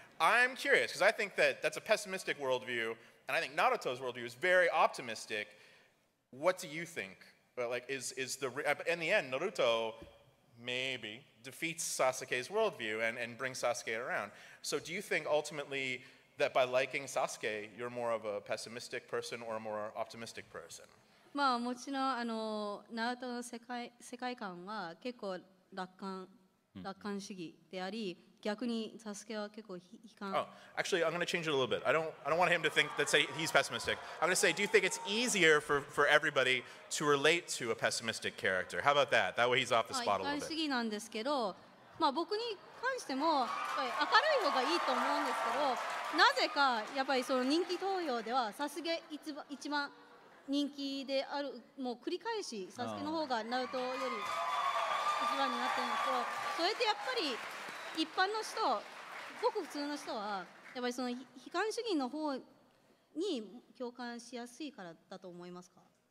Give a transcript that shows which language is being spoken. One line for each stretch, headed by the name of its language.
English: I'm curious because I think that's a pessimistic worldview. And I think Naruto's worldview is very optimistic. What do you think? But like, is the in the end, Naruto maybe defeats Sasuke's worldview and brings Sasuke around. So, do you think ultimately that by liking Sasuke, you're more of a pessimistic person or a more optimistic person?
Japanese: まあもちろんあのナルトの世界観は結構楽観主義であり、逆にサスケは結構悲観。
English: Oh, actually, I'm going to change it a little bit. I don't want him to think that say he's pessimistic. I'm going to say, do you think it's easier for everybody to relate to a pessimistic character? How about that? That way he's off the spot a little bit.
Japanese: 悲観主義なんですけど、まあ僕に関してもやっぱり明るい方がいいと思うんですけど、なぜかやっぱりその人気投票ではサスケ一番人気であるもう繰り返しサスケの方がナルトより一番になってるんですけど、それってやっぱり一般の人、ごく普通の人はやっぱりその悲観主義の方に共感しやすいからだと思いますか？